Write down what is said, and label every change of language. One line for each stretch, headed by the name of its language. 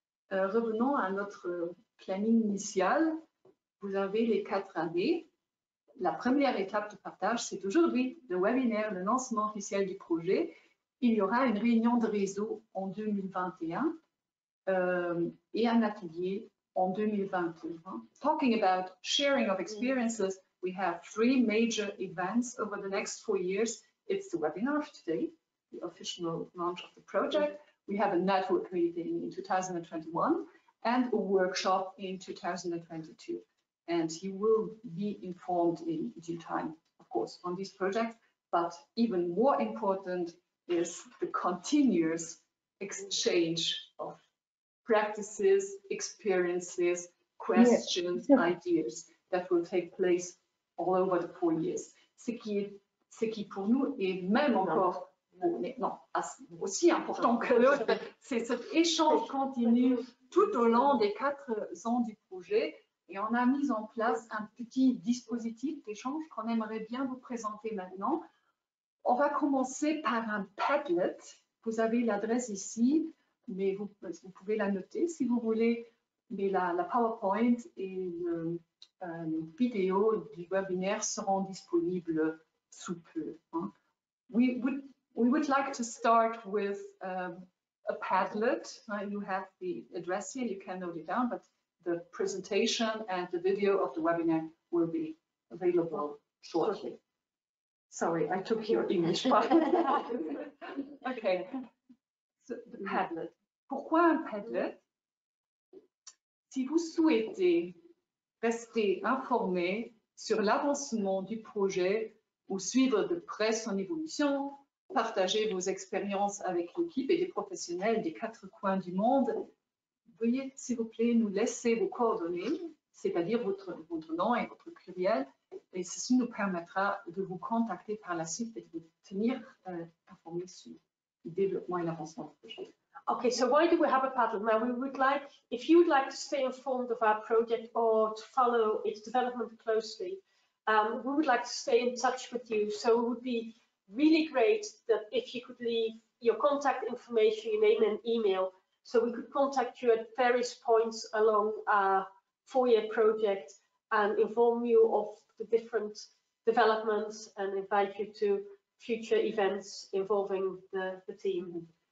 French: Revenons à notre planning initial. Vous avez les 4 années. La première étape de partage, c'est aujourd'hui le webinaire, le lancement officiel du projet. Il y aura une réunion de réseau en 2021. Et un atelier en 2022.
English: Talking about sharing of experiences, we have 3 major events over the next 4 years. It's the webinar of today, the official launch of the project. We have a network meeting in 2021 and a workshop in 2022. And you will be informed in due time, of course, on this project. But even more important is the continuous exchange of practices, experiences, questions, yes. Ideas that will take place all over the 4 years.
French: Ce qui pour nous est même encore aussi important que l'autre, c'est cet échange continu tout au long des 4 ans du projet. Et on a mis en place un petit dispositif d'échange qu'on aimerait bien vous présenter maintenant. On va commencer par un Padlet. Vous avez l'adresse ici. Mais vous pouvez la noter si vous voulez, mais la PowerPoint et la vidéo du webinaire seront disponibles sous peu. Hein.
English: We would like to start with a Padlet. You have the address here, you can note it down, but the presentation and the video of the webinar will be available shortly. Sorry, I took your English part. Okay, so the Padlet.
French: Pourquoi un Padlet? Si vous souhaitez rester informé sur l'avancement du projet ou suivre de près son évolution, partager vos expériences avec l'équipe et les professionnels des 4 coins du monde, veuillez s'il vous plaît nous laisser vos coordonnées, c'est-à-dire votre nom et votre pluriel, et ceci nous permettra de vous contacter par la suite et de vous tenir informé sur le développement et l'avancement du projet.
English: Okay, so why do we have a Padlet? Now, we would like, if you would like to stay informed of our project or to follow its development closely, we would like to stay in touch with you. So it would be really great that if you could leave your contact information, your name and email, so we could contact you at various points along our 4-year project and inform you of the different developments and invite you to future events involving the team.